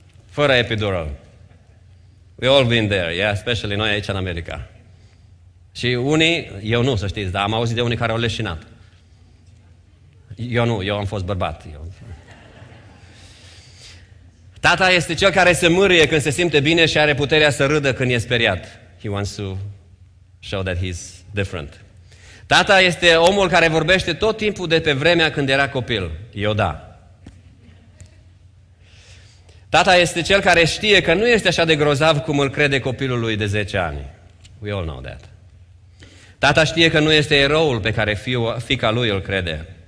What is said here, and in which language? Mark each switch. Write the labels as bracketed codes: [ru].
[ro] Fără epidural. [en] We all been there, yeah, especially [ro] noi aici în America. Și unii, eu nu, să știți, dar am auzit de unii care au leșinat. Eu nu, eu am fost bărbat. Tata este cel care se mârie când se simte bine și are puterea să râdă când e speriat. [en] He wants to show that he's different. [ro] Tata este omul care vorbește tot timpul de pe vremea când era copil. Eu da. Tata este cel care știe că nu este așa de grozav cum îl crede copilul lui de 10 ani. [en] We all know that. [ro] Tata știe că nu este eroul pe care fiica lui îl crede.